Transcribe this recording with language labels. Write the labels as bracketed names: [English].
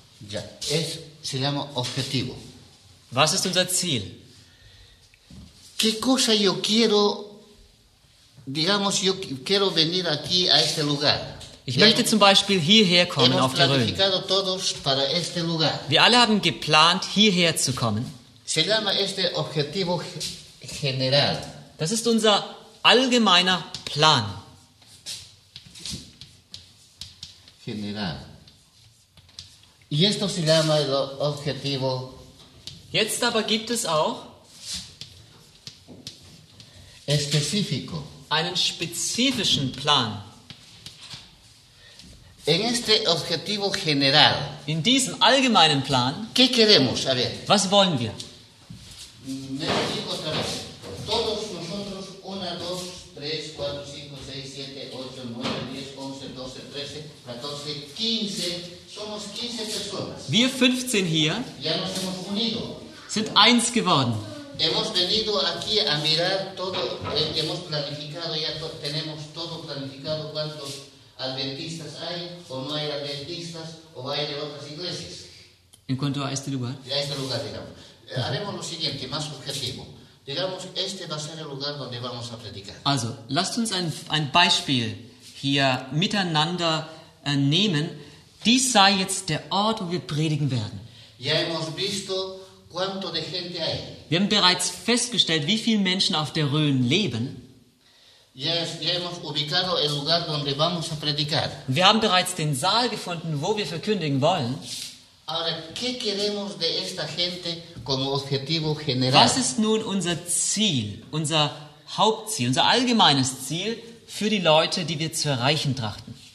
[Spanish] Ya, es, se llama objetivo. [German] Was ist unser Ziel? [Spanish] ¿Qué cosa yo quiero, digamos, yo quiero venir aquí a este lugar? [German] Ich möchte zum Beispiel hierher kommen auf die Rhön. [Spanish] Todos para este lugar. [German] Wir alle haben geplant, hierher zu kommen. [Spanish] Se llama este objetivo general. [German] Das ist unser allgemeiner Plan. [Spanish] General. Y esto se llama el objetivo. [German] Jetzt aber gibt es auch [Spanish] específico. [German] Einen spezifischen Plan. [Spanish] En este objetivo general. [German] In diesem allgemeinen Plan. [Spanish] ¿Qué queremos? A ver. [German] Was wollen wir? [Spanish] Necesito otra vez. Todos nosotros, 1, 2, 3, 4, 5, 6, 7, 8, 9, 10, 11, 12, 13, 14, 15. Somos 15 personas. [German] Wir 15 hier. [Spanish] Ya nos hemos unido. [German] Sind eins geworden. [Spanish] Hemos venido aquí a mirar todo. Hemos planificado, ya tenemos todo planificado, cuántos adventistas hay o no hay adventistas o hay de otras iglesias. ¿En cuanto a este lugar? A este lugar, digamos. Haremos lo siguiente, más objetivo. Digamos, este va a ser el lugar donde vamos a predicar. [German] Also, lasst uns ein Beispiel hier miteinander nehmen. Dies sei jetzt der Ort, wo wir predigen werden. [Spanish] Ya hemos visto cuánto de gente hay. [German] Wir haben bereits festgestellt, wie viele Menschen auf der Rhön leben. [Spanish] Ya hemos ubicado el lugar donde vamos a predicar. [German] Wir haben bereits den Saal gefunden, wo wir verkündigen wollen. [Spanish] Ahora, ¿qué queremos de esta gente como objetivo general? [German] Was ist nun unser Ziel, unser Hauptziel, unser allgemeines Ziel für die Leute, die wir zu erreichen trachten?